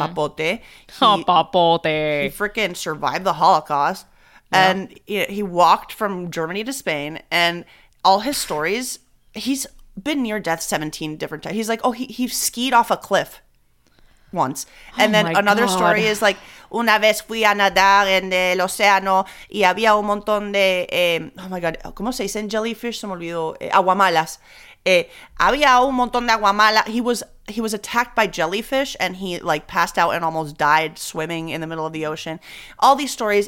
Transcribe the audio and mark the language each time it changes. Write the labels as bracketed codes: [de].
[es] Papote. Papote. [en] He freaking survived the Holocaust. Yeah. And he walked from Germany to Spain, and all his stories, he's been near death 17 different times. He's like, oh, he skied off a cliff once. And oh then another God. Story is like, [es] una vez fui a nadar en el océano y había un montón de, [en] oh my God, [es] ¿cómo se dicen jellyfish? Se me olvidó. Aguamalas. Había un montón de aguamalas. [en] He was attacked by jellyfish and he like passed out and almost died swimming in the middle of the ocean. All these stories.